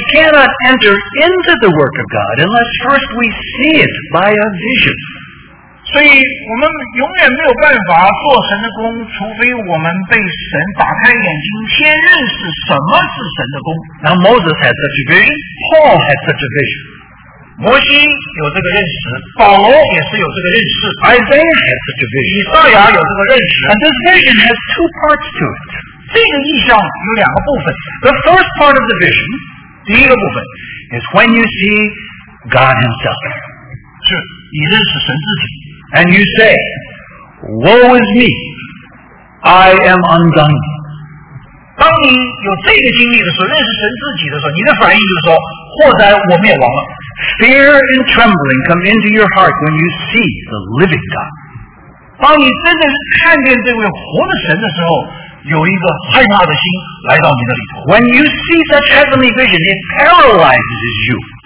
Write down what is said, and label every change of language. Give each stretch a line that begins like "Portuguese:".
English: We cannot enter into the work of God unless first we see it by a vision.
Chinese: 所以我们永远没有办法做神的工，除非我们被神打开眼睛，先认识什么是神的工。
English: Now Moses had such a vision, Paul had such a vision.
Chinese: 摩西有这个认识，保罗也是有这个认识，
English: Isaiah had such a vision,
Chinese: 以赛亚有这个认识。
English: And this vision has two parts to it.
Chinese: 这个意象有两个部分。
English: The first part of the vision,
Chinese: 第一个部分，
English: is when you see God himself.
Chinese: 是你认识神自己。
English: And you say, woe is me, I am undone.
Chinese: 当你有这个经历的时候，认识神自己的时候，你的反应就是说，祸哉，我灭亡了。
English: Fear and trembling come into your heart when you see the living God.
Chinese: 当你真的看见这位活的神的时候，有一个害怕的心来到你的里头。
English: When you see such heavenly vision, it paralyzes you.